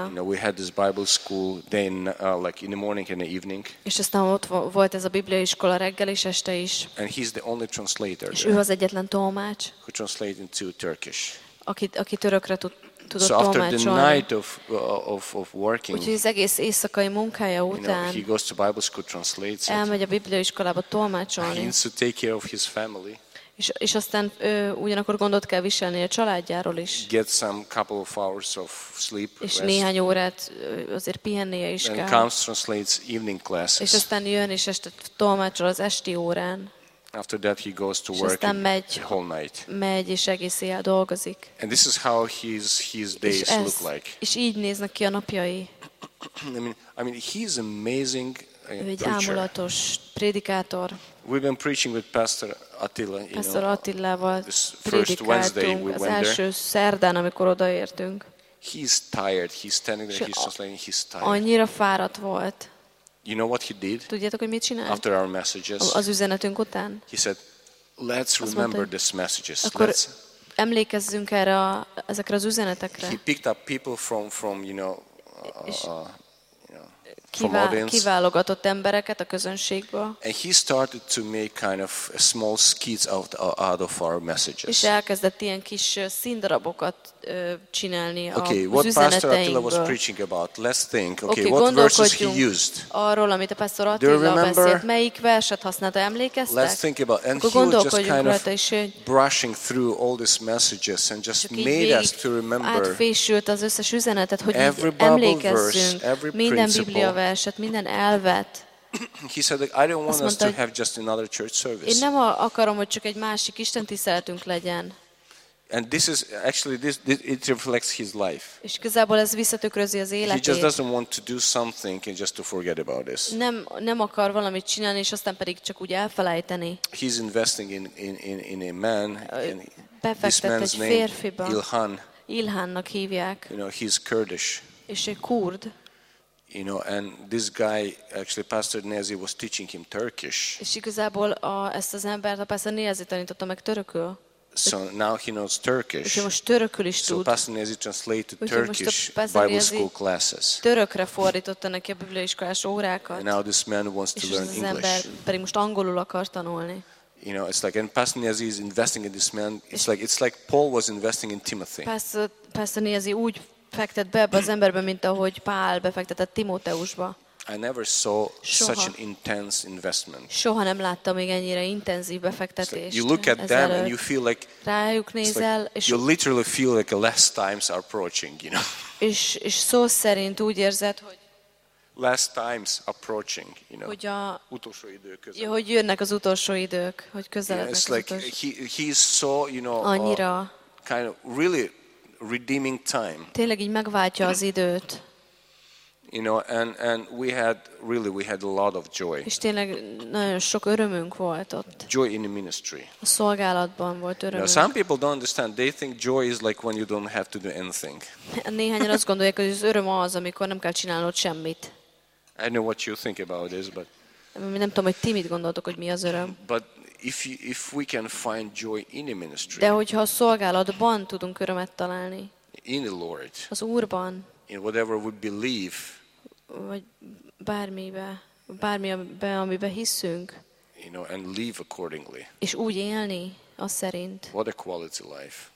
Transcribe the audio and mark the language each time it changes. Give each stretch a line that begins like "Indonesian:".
English: You know, we had this Bible school day in the morning and the evening.
Hungarian: És aztán ott volt ez a bibliaiskola reggel és este is.
English: And he's the only translator.
Hungarian: És ő az egyetlen tolmács.
English: Who translates into Turkish.
Hungarian: Aki törökre tud.
English: So after the night of working,
Hungarian: úgyhogy az egész éjszakai munkája után,
English: he goes to Bible school, translates.
Hungarian: Elmegy a bibliaiskolába tolmácsolni.
English: He needs to take care of his family.
Hungarian: És aztán ugyanakkor gondot kell viselni a családjáról is.
English: Get some couple of hours of sleep.
Hungarian: És néhány órát azért pihennie is kell.
English: And comes, translates evening classes.
Hungarian: És aztán jön és este tolmácsol az esti órán.
English: After that he goes to work the whole night.
Hungarian: Megy és egész éjjel dolgozik.
English: And this is how his days look like.
Hungarian: És így néznek ki a napjai.
English: I mean he's amazing.
Hungarian: Ő egy ámulatos prédikátor.
English: We've been preaching with Pastor Attila, you know.
Hungarian: Pastor Attilával prédikáltunk az első szerdán, amikor odaértünk.
English: He's tired. He's standing there, he's just laying, he's tired.
Hungarian: Annyira fáradt volt.
English: You know what he did?
Hungarian: Tudjátok, hogy mit csinált?
English: After our messages.
Hungarian: Az üzenetünk után.
English: He said, "Let's remember these messages."
Hungarian: Akkor emlékezzünk erre ezekre az üzenetekre.
English: He picked up people from you know, from audience.
Hungarian: Kiválogatott embereket a közönségből.
English: And he started to make kind of a small skits out of our messages.
Hungarian: És elkezdett ilyen kis színdarabokat csinálni az üzeneteinkből.
English: Okay, what Pastor Attila was preaching about? Let's think. Okay, what verses he used?
Hungarian: Arról, amit a Pastor Attila beszélt, melyik verset használta, emlékeztek?
English: Let's think about. And
Hungarian: akkor gondolkodjunk rajta, és
English: brushing through all these messages and just made us to remember.
Hungarian: Átfésült az összes üzenetet, hogy emlékezzünk minden Biblia verset. verset, minden elvet.
English: He said that I don't want us to have just another church service.
Hungarian: Én nem akarom, hogy csak egy másik istentiszteletünk legyen.
English: And this is actually this it reflects his life.
Hungarian: És igazából ez visszatükrözi az életét.
English: He just doesn't want to do something and just to forget about this.
Hungarian: Nem akar valamit csinálni és aztán pedig csak úgy elfelejteni.
English: He's investing in a man and this man's name
Hungarian: férfiba.
English: Ilhan.
Hungarian: Ilhannak hívják.
English: You know, he's Kurdish.
Hungarian: És egy kurd.
English: You know, and this guy actually Pastor Nezi was teaching him Turkish.
Hungarian: És igazából ezt az embert a Pastor Nezi tanította meg törökül.
English: So now he knows Turkish.
Hungarian: Úgyhogy most törökül is tud.
English: So Pastor Nezi translated Turkish Bible school classes.
Hungarian: Törökre fordította neki a bibliai iskolás órákat.
English: And now this man wants to learn English.
Hungarian: És az ember pedig most angolul akar tanulni.
English: You know, it's like, and Pastor Nezi is investing in this man. It's like Paul was investing in Timothy.
Hungarian: Pastor Nezi úgy fektet be ebbe az emberbe, mint ahogy Pál befektetett Timóteusba.
English: I never saw such an intense investment.
Hungarian: Soha nem láttam még ennyire intenzív befektetést.
English: You look at them and you feel like
Hungarian: rájuk nézel, és
English: you literally feel like the last times are approaching, you know.
Hungarian: És szó szerint úgy érzed, hogy
English: last times approaching, you know.
Hungarian: Hogy a utolsó idők közel. Ja, hogy jönnek az utolsó idők, hogy közelednek.
English: It's like he is so, you know,
Hungarian: annyira
English: kind of really redeeming time.
Hungarian: Tényleg így megváltja az időt.
English: You know, and we had a lot of joy.
Hungarian: És tényleg nagyon sok örömünk volt ott.
English: Joy in the ministry.
Hungarian: A szolgálatban volt örömünk.
English: Now, some people don't understand. They think joy is like when you don't have to do anything.
Hungarian: Néhányan azt gondolják, hogy az öröm az, amikor nem kell csinálnod semmit.
English: I know what you think about this, but
Hungarian: nem tudom, hogy ti mit gondoltok, hogy mi az öröm.
English: But if we can find joy in the ministry.
Hungarian: De hogyha a szolgálatban tudunk örömet találni.
English: In the Lord.
Hungarian: Az Úrban.
English: In whatever we believe,
Hungarian: vagy bármibe, amibe hiszünk,
English: you know, and live accordingly.
Hungarian: És úgy élni, az szerint.
English: What a quality life.